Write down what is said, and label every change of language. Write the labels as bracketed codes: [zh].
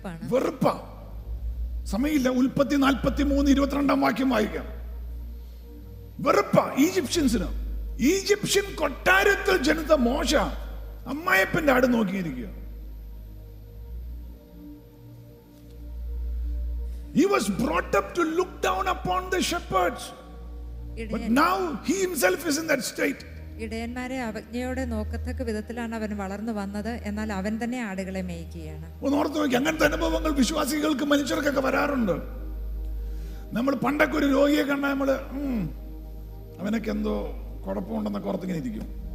[ml] വെറുപ്പാണ്. സമയമില്ല, ഉൽപ്പത്തി 43:22 വാക്യം വായിക്കാം. വെറുപ്പാണ് ഈജിപ്ഷ്യൻസിന്. ഈജിപ്ഷ്യൻ കൊട്ടാരത്തിൽ ജനിച്ച മോശ അമ്മായപ്പന്റെ ആട് നോക്കിയിരിക്കുക. [en] He was brought up to look down upon the shepherds. But now he himself is in that state. [ml] ഇടയന്മാരെ അവജ്ഞയോടെ നോക്കത്തക്ക വിധത്തിലാണ് അവൻ വളർന്നു വന്നത്. എന്നാൽ അവൻ തന്നെ ആടുകളെ മേയ്ക്കുകയാണ്. ഒന്ന് ഓർത്ത് നോക്കി, അങ്ങനത്തെ അനുഭവങ്ങൾ വിശ്വാസികൾക്ക് മനുഷ്യർക്കൊക്കെ വരാറുണ്ട്. നമ്മൾ പണ്ടൊക്കെ ഒരു രോഗിയെ കണ്ടാൽ നമ്മള് അവനൊക്കെ എന്തോ കുഴപ്പമുണ്ടെന്നൊക്കെ ഓർത്തിങ്ങനെ ഇരിക്കും.